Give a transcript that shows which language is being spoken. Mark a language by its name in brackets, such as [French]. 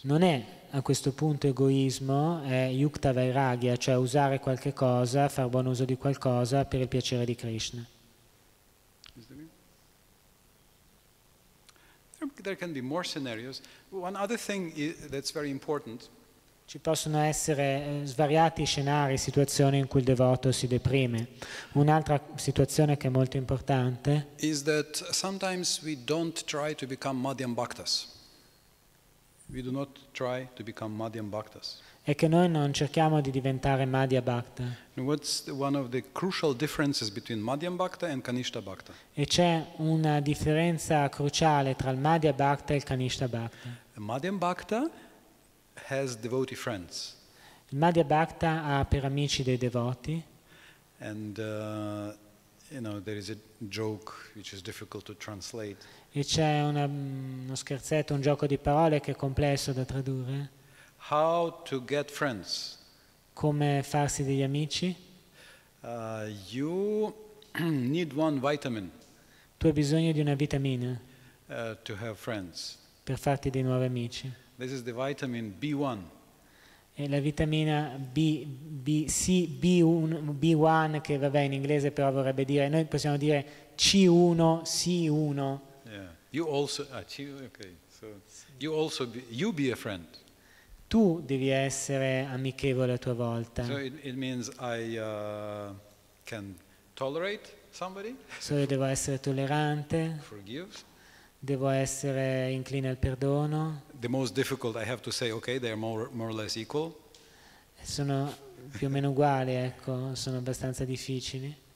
[Italian] Non è a questo punto egoismo, è yukta vairagya, cioè usare qualche cosa, far buon uso di qualcosa per il piacere di Krishna. [English] There can be more scenarios. One other thing that's very important. [Italian] Ci possono essere svariati scenari, situazioni in cui il devoto si deprime. Un'altra situazione che è molto importante [English] is that sometimes we don't try to become Madhyam Bhaktas. We do not try to become Madhyam Bhaktas. [Italian] È che noi non cerchiamo di diventare Madhya Bhakta. [English] What's one of the crucial differences between Madhyam Bhakta and Kanishtha Bhakta? [Italian] E c'è una differenza cruciale tra il Madhya Bhakta e il Kanishtha Bhakta. [English] Madhyam Bhakta has devotee friends. [Italian] Il Madhya Bhakta ha per amici dei devoti. [English] And you know, there is a joke which is difficult to translate. [Italian] E c'è uno scherzetto, un gioco di parole che è complesso da tradurre. [English] How to get friends? [Italian] Come farsi degli amici? [English] You need one vitamin. [Italian] Tu hai bisogno di una vitamina. [English] To have friends. [Italian] Per farti dei nuovi amici. [English] This is the vitamin B1. [Italian] È la vitamina B1 che vabbè in inglese però vorrebbe dire noi possiamo dire C1 C1. [English] Yeah. You also okay. So you also you be a friend. [Italian] Tu devi essere amichevole a tua volta. [English] So it means I can tolerate somebody. [Italian] So io devo essere tollerante. [English] Forgive. [Italian] Devo essere incline al perdono. [English] The most difficult I have to say okay, they are more or less equal. [Italian] Sono più o meno uguali, ecco, sono abbastanza difficili.